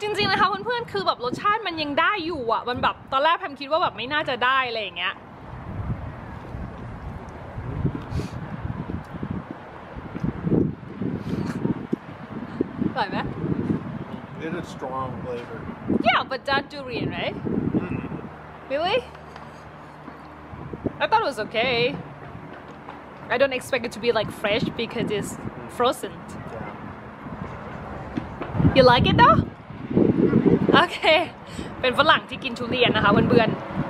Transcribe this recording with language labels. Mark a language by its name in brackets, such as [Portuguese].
[Thai] จริงๆนะคะเพื่อนๆคือแบบรสชาติมันยังได้อยู่อ่ะมันแบบตอนแรกแพมคิดว่าแบบไม่น่าจะได้อะไรอย่างเงี้ยอร่อยไหม [English] It's a strong flavor. Yeah, but that durian, right? Really? I thought it was okay. I don't expect it to be like fresh because it's frozen. Yeah. You like it though? Okay. [Thai] เป็นฝรั่งที่กินทุเรียนนะคะเพื่อนๆ